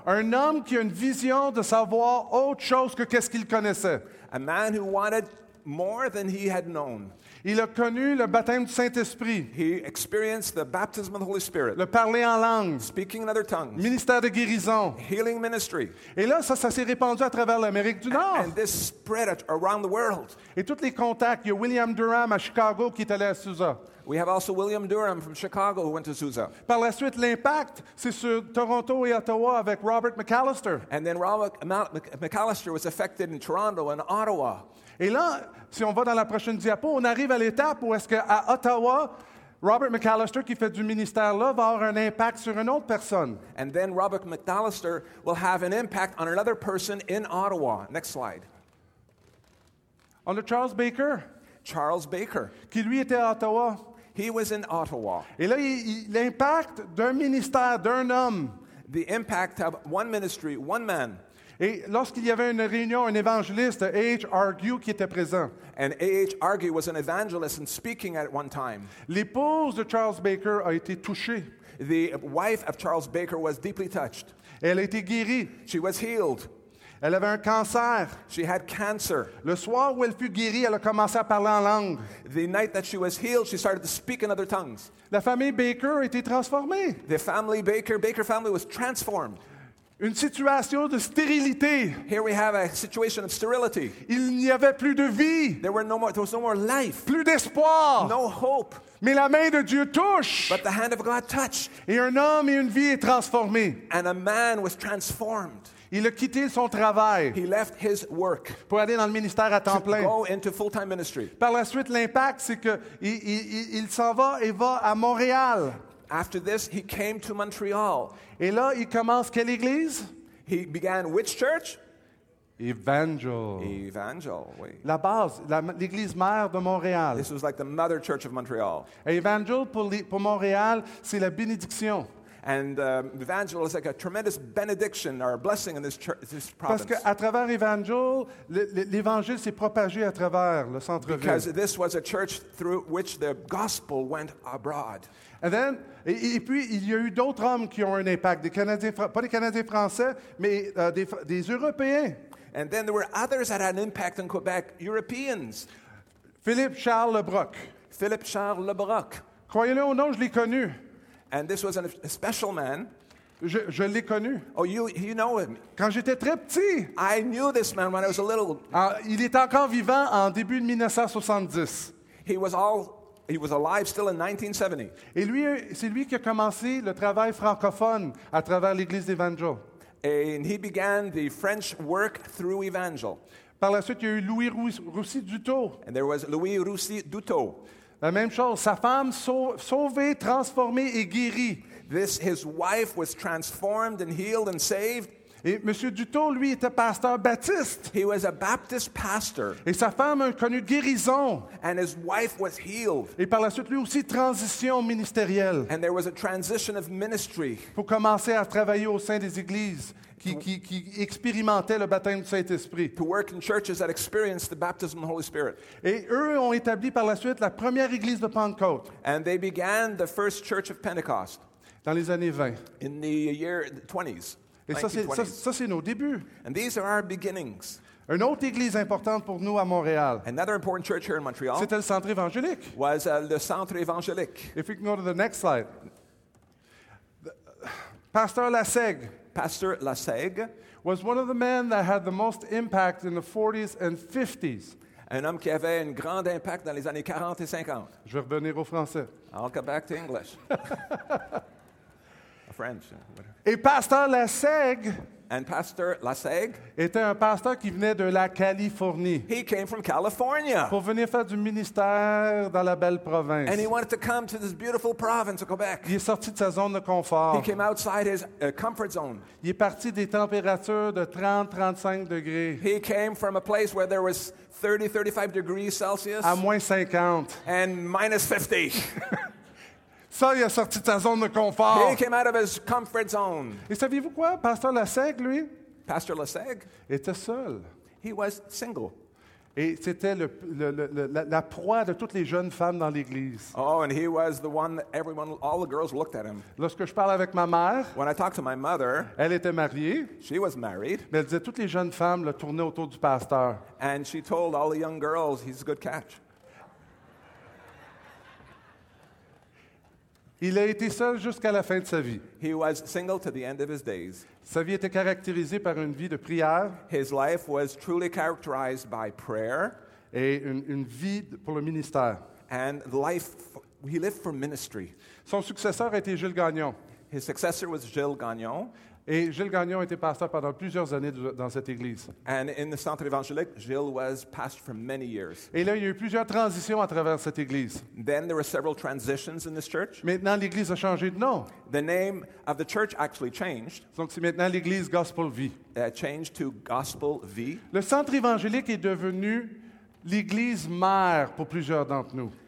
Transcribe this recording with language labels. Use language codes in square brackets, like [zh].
[fr] Un homme qui a une vision de savoir autre chose que qu'est-ce qu'il connaissait. [en] A man who wanted more than he had known. [fr] Il a connu le baptême du Saint-Esprit. [en] He experienced the baptism of the Holy Spirit. [fr] Le parler en langue. [en] Speaking in other tongues. [fr] Ministère de guérison. [en] Healing ministry. [fr] Et là, ça s'est répandu à travers l'Amérique du Nord. [en] And this spread around the world. [fr] Et tous les contacts, il y a William Durham à Chicago qui est allé à Azusa. [en] We have also William Durham from Chicago who went to Azusa. [fr] Par la suite, l'impact, c'est sur Toronto et Ottawa avec Robert McAllister. [en] And then Robert McAllister was affected in Toronto and Ottawa. [fr] Et là, si on va dans la prochaine diapo, on arrive à l'étape où est-ce qu'à Ottawa, Robert McAllister, qui fait du ministère là, va avoir un impact sur une autre personne. [en] And then Robert McAllister will have an impact on another person in Ottawa. Next slide. [fr] On a Charles Baker. [en] Charles Baker. [fr] Qui lui était à Ottawa. [en] He was in Ottawa. [fr] Et là, l'impact d'un ministère, d'un homme. [en] The impact of one ministry, one man. [fr] Et lorsqu'il y avait une réunion, un évangéliste, A.H. Argue, qui était présent. [en] And A.H. Argue was an evangelist and speaking at one time. [fr] L'épouse de Charles Baker a été touchée. [en] The wife of Charles Baker was deeply touched. [fr] Elle a été guérie. [en] She was healed. [fr] Elle avait un cancer. [en] She had cancer. [fr] Le soir où elle fut guérie, elle a commencé à parler en langue. [en] The night that she was healed, she started to speak in other tongues. [fr] La famille Baker a été transformée. [en] The family Baker family was transformed. [fr] Une situation de stérilité. [en] Here we have a situation of sterility. [fr] Il n'y avait plus de vie. [en] There was no more life. [fr] Plus d'espoir. [en] No hope. [fr] Mais la main de Dieu touche. [en] But the hand of God touched. [fr] Et un homme et une vie est transformé. [en] And a man was transformed. [fr] Il a quitté son travail. [en] He left his work. [fr] Pour aller dans le ministère à temps plein. [en] To go into full-time ministry. [fr] Par la suite, l'impact, c'est qu'il s'en va et va à Montréal. [en] After this, he came to Montreal. [fr] Et là, il commence quelle église? [en] He began which church? [fr] Evangel. Oui. La base, l'église mère de Montréal. [en] This was like the mother church of Montreal. [fr] Et Evangel pour Montréal, c'est la bénédiction. [en] And Evangel is like a tremendous benediction or a blessing in this church, this province. [fr] Parce que à travers Evangel, l'évangile s'est propagé à travers le centre-ville. [en] Because this was a church through which the gospel went abroad. And then, [fr] et puis, il y a eu d'autres hommes qui ont un impact, des Canadiens, pas des Canadiens français, mais des Européens. [en] And then there were others that had an impact in Quebec, Europeans. [fr] Philippe-Charles Lebrock. [en] Philippe-Charles Lebrock. [fr] Croyez-le ou non, je l'ai connu. [en] And this was a special man. [fr] Je l'ai connu. [en] Oh, you know him. [fr] Quand j'étais très petit. [en] I knew this man when I was a little. [fr] Il est encore vivant en début de 1970. [en] He was alive still in 1970. [fr] Et lui, c'est lui qui a commencé le travail francophone à travers l'Église d'Evangel. [en] And he began the French work through Evangel. [fr] Par la suite, il y a eu Louis Roussy Duteau. [en] And there was Louis Roussy Duteau. [fr] La même chose, sa femme sauvée, transformée et guérie. [en] His wife was transformed and healed and saved. [fr] Et M. Duteau, lui, était pasteur baptiste. [en] He was a Baptist pastor. [fr] Et sa femme a connu guérison. [en] And his wife was healed. [fr] Et par la suite, lui aussi, transition ministérielle. [en] And there was a transition of ministry. [fr] Pour commencer à travailler au sein des églises qui expérimentaient le baptême du Saint-Esprit. [en] To work in churches that experienced the baptism of the Holy Spirit. [fr] Et eux ont établi par la suite la première église de Pentecôte. [en] And they began the first church of Pentecost. [fr] Dans les années 20. [en] In the year 20s. [fr] Et ça c'est nos débuts. [en] And these are our beginnings. [fr] Une autre église importante pour nous à Montréal. [en] Another important church here in Montreal. [fr] C'était le Centre évangélique. [en] Was le Centre évangélique. If we can go to the next slide. Pasteur Lassègue. Pastor Lasaigue, was one of the men that had the most impact in the 40s and 50s. [fr] Un homme qui avait un grand impact dans les années 40 et 50. Je vais revenir au français. [en] I'll come back to English. French. [fr] Et Pasteur Lasaigue, [en] and Pastor Lasaigue [fr] était un pasteur qui venait de la Californie. [en] He came from California. [fr] Pour venir faire du ministère dans la belle province. [en] And he wanted to come to this beautiful province of Quebec. [fr] Il est sorti de sa zone de confort. [en] He came outside his comfort zone. [fr] Il est parti des températures de 30-35 degrés. [en] He came from a place where there was 30-35 degrees Celsius. [fr] À moins 50. [en] And minus 50. [fr] Ça, il est sorti de sa zone de confort. [en] He came out of his comfort zone. [fr] Et saviez-vous quoi? Pasteur Lasaigue, lui, [en] Pastor Lasaigue [fr] était seul. [en] He was single. [fr] Et c'était la proie de toutes les jeunes femmes dans l'église. [en] Oh, and he was the one that everyone, all the girls looked at him. [fr] Lorsque je parle avec ma mère, [en] when I talk to my mother, [fr] elle était mariée. [en] She was married. [fr] Mais elle disait, toutes les jeunes femmes le tournaient autour du pasteur. [en] And she told all the young girls, he's a good catch. [fr] Il a été seul jusqu'à la fin de sa vie. [en] He was single to the end of his days. [fr] Sa vie était caractérisée par une vie de prière. [en] His life was truly characterized by prayer. [fr] Et une vie pour le ministère. [en] And life, he lived for ministry. [fr] Son successeur était Gilles Gagnon. [en] His successor was Gilles Gagnon. [fr] Et Gilles Gagnon était pasteur pendant plusieurs années dans cette église. [en] And in the centre évangélique, Gilles was pastor for many years. [fr] Et là, il y a eu plusieurs transitions à travers cette église. [en] Then there were several transitions in this church. [fr] Maintenant, l'église a changé de nom. [en] The name of the church actually changed. [fr] Donc, c'est maintenant l'église Gospel Vie. [en] Changed to Gospel Vie. [fr] Le centre évangélique est devenu l'église mère pour plusieurs d'entre nous.